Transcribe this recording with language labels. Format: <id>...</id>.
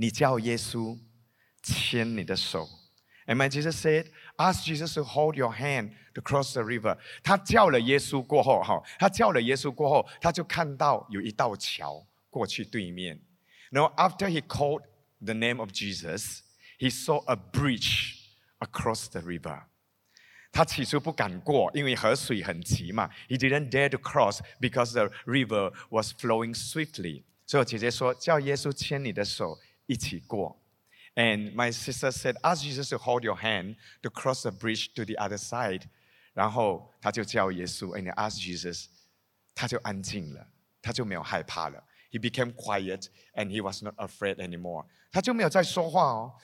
<zh>我姐姐就说，你叫耶稣牵你的手。</zh> <en>And my Jesus said, ask Jesus to hold your hand to cross the river.</en> <zh>他叫了耶稣过后， 他就看到有一道桥过去对面。</zh> <en>Now, after he called the name of Jesus, he saw a bridge across the river.</en> <zh>他起初不敢过， 因为河水很急嘛。</zh> <en>He didn't dare to cross because the river was flowing swiftly.</en> <zh>所以姐姐说， 叫耶稣牵你的手一起过。</zh> <en>And my sister said, ask Jesus to hold your hand to cross the bridge to the other side.</en> <zh>然后他就叫耶稣，</zh> <en>and he asked Jesus,</en> <zh>他就安静了，他就没有害怕了。</zh> <en>He became quiet and he was not afraid anymore.</en> <zh>他就没有再说话哦。</zh>